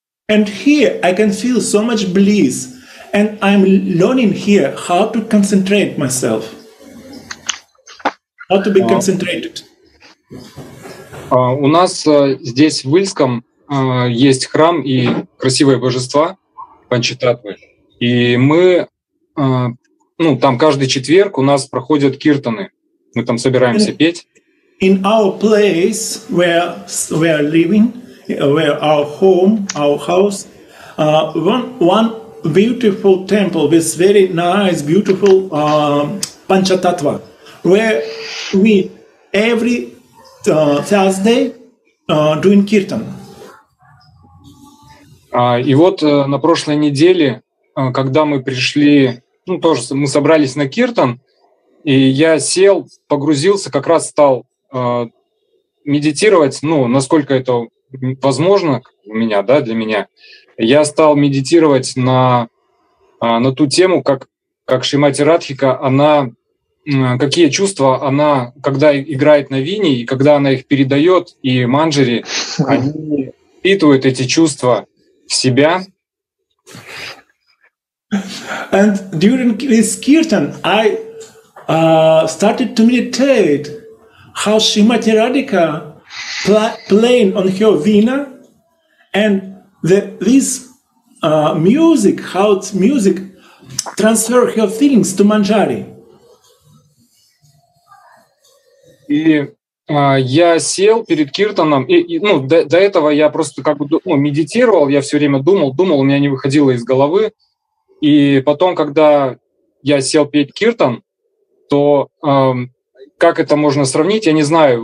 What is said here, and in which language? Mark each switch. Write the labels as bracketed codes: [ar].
[en] And here I can feel so much bliss, and I'm learning here how to concentrate myself, how to be concentrated. [ru] У нас здесь в Ильском есть храм и красивые божества, Панчитатвы, и мы, ну, там каждый четверг у нас проходят киртаны, мы там собираемся [en] and [ru] петь. [en] In our place where we are living, where our home, our house, one beautiful temple with very nice, beautiful Panchatattva, where we every Thursday doing kirtan. [ru] И вот на прошлой неделе, когда мы пришли, ну тоже мы собрались на киртан, и я сел, погрузился, как раз стал медитировать, ну, насколько это возможно у меня, да, для меня, я стал медитировать на ту тему, как Шримати Радхика, она, какие чувства она, когда играет на вине, и когда она их передает и манджари, они впитывают эти чувства в себя. [en] And during this kirtan, I started to meditate how Shrimati Radhika playing on her vina, and this music, how its music transfer her feelings to Manjari. [ru] И я сел перед киртаном, и ну, до этого я просто как бы, ну, медитировал, я все время думал, у меня не выходило из головы. И потом, когда я сел петь киртан, то как это можно сравнить, я не знаю.